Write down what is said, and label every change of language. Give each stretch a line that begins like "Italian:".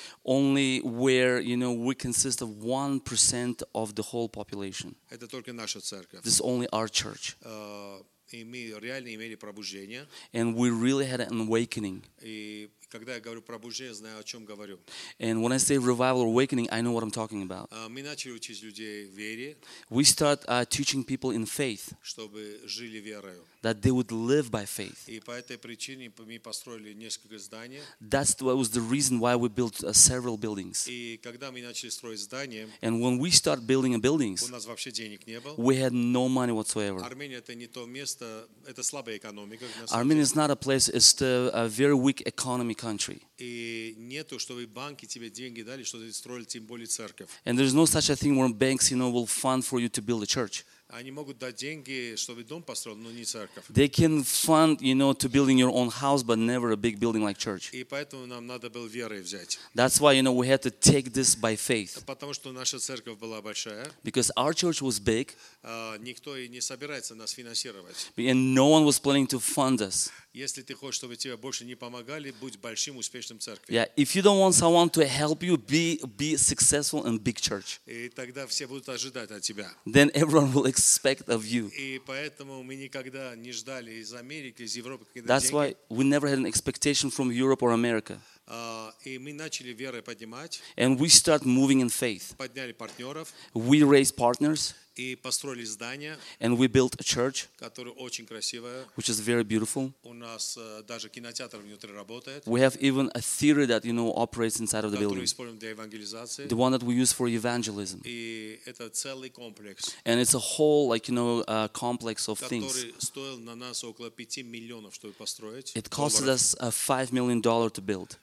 English: Only where, you know, we consist of 1% of the whole population.
Russian: Это только наша церковь.
English: This is only our church.
Russian: И мы реально имели пробуждение.
English: And we really had an awakening.
Russian: И когда я говорю пробуждение, знаю, о чем говорю.
English: And when I say revival or awakening, I know what I'm talking about.
Russian: Мы начали учить людей вере.
English: We start teaching people in faith.
Russian: Чтобы жили верою.
English: That they would live by faith.
Russian: И по этой причине мы построили несколько зданий.
English: That was the reason why we built several buildings.
Russian: И когда мы начали строить здания,
English: and when we start building buildings,
Russian: у нас вообще денег не было.
English: We had no money whatsoever.
Russian: Армения это не то место, это слабая экономика.
English: Armenia is not a place, it's a very weak economy country.
Russian: И нету, чтобы банки тебе деньги дали, чтобы строили тем более церковь.
English: And there's no such a thing where banks, you know, will fund for you to build a church.
Russian: Они могут дать деньги, чтобы дом построил, но не церковь.
English: They can fund, you know, to building your own house, but never a big building like church.
Russian: И поэтому нам надо было верой взять.
English: That's why, you know, we had to take this by faith.
Russian: Потому что наша церковь была большая.
English: Because our church was big.
Russian: Никто и не собирается нас финансировать.
English: And no one was planning to fund us.
Russian: Если ты хочешь, чтобы тебе больше не помогали, будь большим, успешным церкви.
English: Yeah, if you don't want someone to help you, be successful in big church.
Russian: И тогда все будут ожидать от тебя.
English: Then everyone will expect of you.
Russian: И поэтому мы никогда не ждали из Америки, из Европы какие-то деньги.
English: That's why we never had an expectation from Europe or America.
Russian: И мы начали верой поднимать.
English: And we start moving in faith.
Russian: Подняли партнеров.
English: We raised partners.
Russian: и построили здание,
English: and we built a church,
Russian: которое очень красивое,
English: which is very beautiful.
Russian: У нас даже кинотеатр внутри работает.
English: We have even a theater that, you know, operates inside of the building.
Russian: Который используем для евангелизации.
English: The one that we use for evangelism.
Russian: И это целый комплекс.
English: And it's a whole, like, you know, a complex of things.
Russian: Который стоил на нас около 5 миллионов, чтобы построить.
English: It costed us $5 million to build.